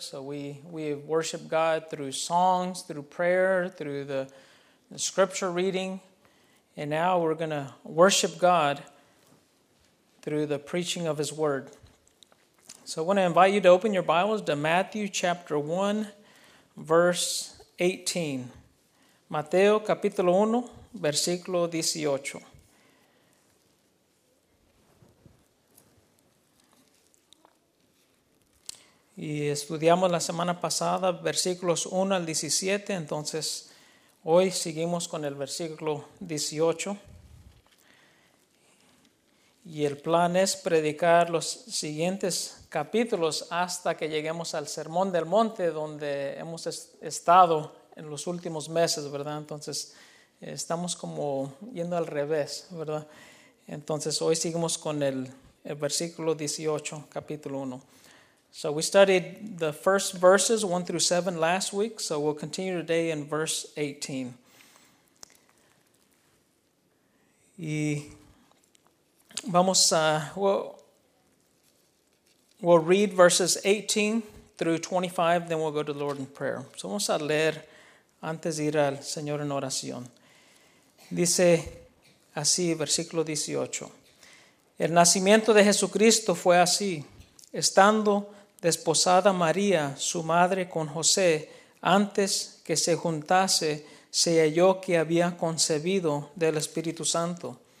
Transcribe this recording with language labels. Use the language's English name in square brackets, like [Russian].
[English] So we worship God through songs, through prayer, through the scripture reading. And now we're going to worship God through the preaching of his word. So I want to invite you to open your Bibles to Matthew chapter 1, verse 18. [Spanish] Mateo capítulo 1, versículo 18. Y estudiamos la semana pasada versículos 1 al 17, entonces hoy seguimos con el versículo 18. Y el plan es predicar los siguientes capítulos hasta que lleguemos al Sermón del Monte, donde hemos estado en los últimos meses, ¿verdad? Entonces estamos como yendo al revés, ¿verdad? Entonces hoy seguimos con el versículo 18, capítulo 1. [English] So we studied the first verses 1 through 7 last week, so we'll continue today in verse 18. [Spanish] Y vamos a [English] we'll read verses 18 through 25, then we'll go to the Lord in prayer. [Spanish] So vamos a leer antes de ir al Señor en oración. Dice así, versículo 18. El nacimiento de Jesucristo fue así, estando desposada María, su madre, con José, antes que se juntase, se halló que había concebido del Espíritu Santo.